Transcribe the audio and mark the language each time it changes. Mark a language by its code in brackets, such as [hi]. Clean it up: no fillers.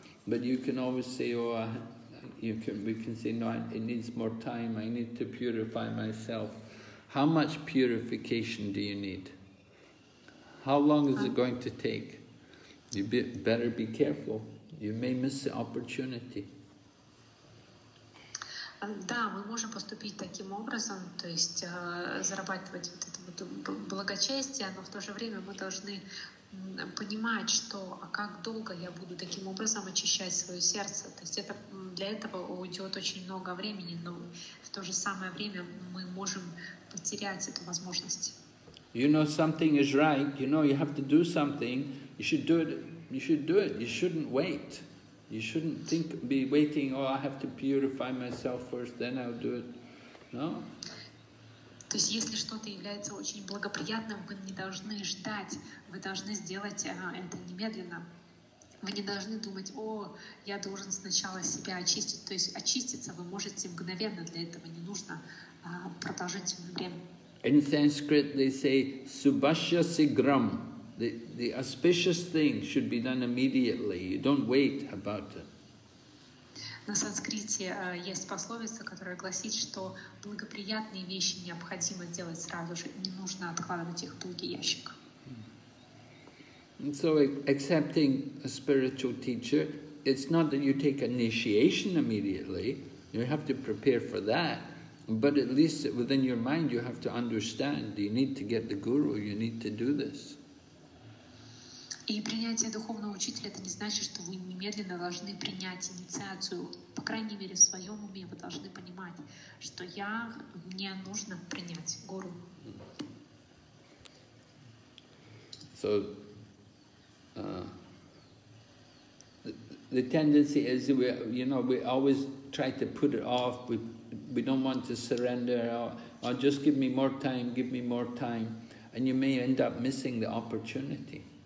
[en] But you can always say, no, it needs more time, I need to purify myself. How much purification do you need? How long is it going to take? You better be careful, you may miss the opportunity. [ru] Да, мы можем поступить таким образом, то есть зарабатывать вот это вот благочестие, но в то же время мы должны понимать, что, а как долго я буду таким образом очищать свое сердце. То есть это, для этого уйдет очень много времени, но в то же самое время мы можем потерять эту возможность. [en] You know something is right, you know you have to do something, you should do it, you shouldn't wait. You shouldn't be waiting, oh, I have to purify myself first, then I'll do it. No? [ru] То есть, если что-то является очень благоприятным, вы не должны ждать, вы должны сделать это немедленно. Вы не должны думать, о, я должен сначала себя очистить. То есть, очиститься вы можете мгновенно, для этого не нужно продолжительное время. [en] In Sanskrit they say, [sa] subhasya sigram. [en] The auspicious thing should be done immediately. You don't wait about it. [ru] На санскрите есть пословица, которая гласит, что благоприятные вещи необходимо делать сразу же, не нужно откладывать их в долгий ящик. [en] And so accepting a spiritual teacher, it's not that you take initiation immediately, you have to prepare for that, but at least within your mind you have to understand, you need to get the guru, you need to do this. [ru] И принятие духовного учителя – это не значит, что вы немедленно должны принять инициацию. По крайней мере, в своем уме вы должны понимать, что мне нужно принять гуру. [en] So, the tendency is we, you know, we always try to put it off. We don't want to surrender. Or just give me more time, and you may end up missing the opportunity.